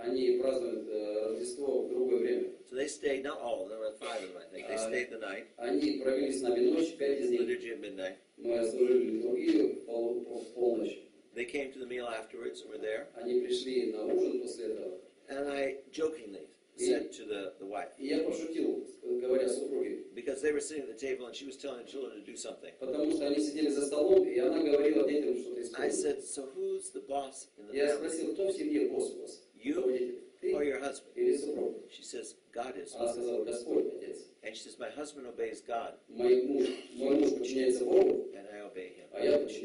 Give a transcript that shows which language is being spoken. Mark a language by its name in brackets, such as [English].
[Russian] Они празднуют Рождество в другое время. [English] So they stayed, not all, there were 5 of them, I think. They stayed the night. [Russian] Они провели с нами ночь, 5 дней. [English] Liturgy at midnight. [Russian] Мы служили литургию полночь. [English] They came to the meal afterwards, we're there. [Russian] Они пришли на ужин после этого. [English] And I jokingly said to the wife. [Russian] Я пошутил, говоря супруге. [English] Because they were sitting at the table and she was telling the children to do something. [Russian] Потому что они сидели за столом и она говорила детям что-то исполнить. [English] I said, so who's the boss in the family? [Russian] Я спросил, кто в семье босс? [English] You? [Russian] Ты? [English] Or or your husband? She says, God is my husband. And she says, my husband obeys God. And I obey him.